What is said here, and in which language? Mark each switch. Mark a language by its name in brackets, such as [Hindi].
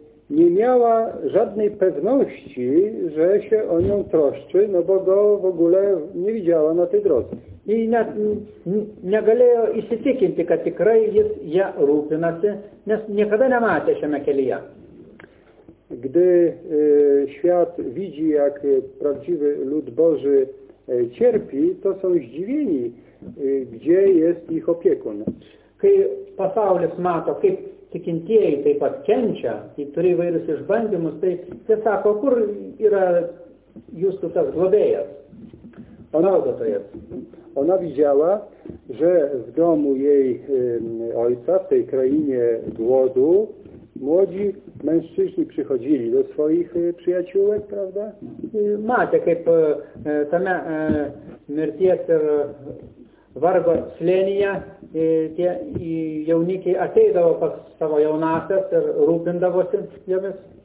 [Polish] Nie miała żadnej pewności, że się o nią troszczy, no bo go w ogóle nie widziała na tej drodze. [Lithuanian] I net negalėjo įsitikinti, kad tikrai jis ją rūpinasi, nes niekada nematė šiame kelyje. [Polish] Gdy świat widzi, jak prawdziwy lud Boży cierpi, to są zdziwieni, gdzie jest ich opiekun. [Lithuanian] Kai pasaulis mato, kaip tikintieji taip pat kenčia, i turi įvairius išbandymus, tai jie sako, kur yra jūsų tas globėjas, pagalbotojas. [Polish] Ona widziała, że w domu jej ojca, w tej krainie głodu, młodzi mężczyźni przychodzili do swoich przyjaciółek, prawda? [Lithuanian] Matė, kaip tame mirties ir vargo slėnyje, tie jaunikiai ateidavo pas savo jaunąsias ir rūpindavosi jomis.